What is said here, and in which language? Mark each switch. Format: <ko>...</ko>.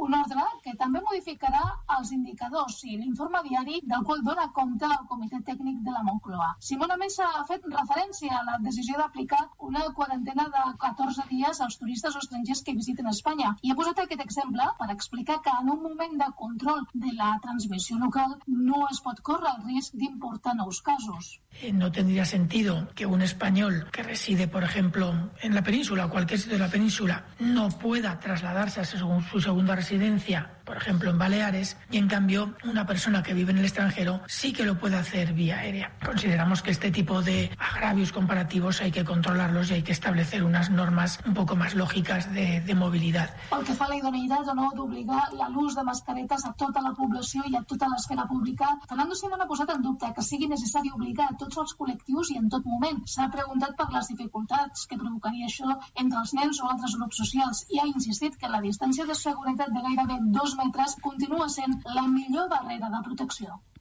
<ca>Un ordre que també modificarà els indicadors i l'informe diari del qual dona compte el Comitè Tècnic de la Moncloa. Simón, a més, ha fet referència a la decisió d'aplicar una quarantena de 14 dies als turistes o estrangers que visiten Espanya. I ha posat aquest exemple per explicar que en un moment de control de la transmissió local no es pot córrer el risc d'importar nous casos.</ca> <es>No tendría sentido que un español que reside, por ejemplo, en la península o cualquier sitio de la península no pueda trasladarse a su segunda residencia, por ejemplo, en Baleares, y en cambio una persona que vive en el extranjero sí que lo puede hacer vía aérea. Consideramos que este tipo de agravios comparativos hay que controlarlos y hay que establecer unas normas un poco más lógicas de movilidad.</es> <ca>Pel que fa a la idoneïtat o no d'obligar l'ús de mascaretes a tota la població i a tota l'esfera pública, Fernando Simón ha posat en dubte que sigui necessari obligar a tots els col·lectius i en tot moment. S'ha preguntat per les dificultats que provocaria això entre els nens o altres grups socials i ha insistit que la distància de seguretat de gairebé 2 metres continua sent la millor barrera de protecció.</ca>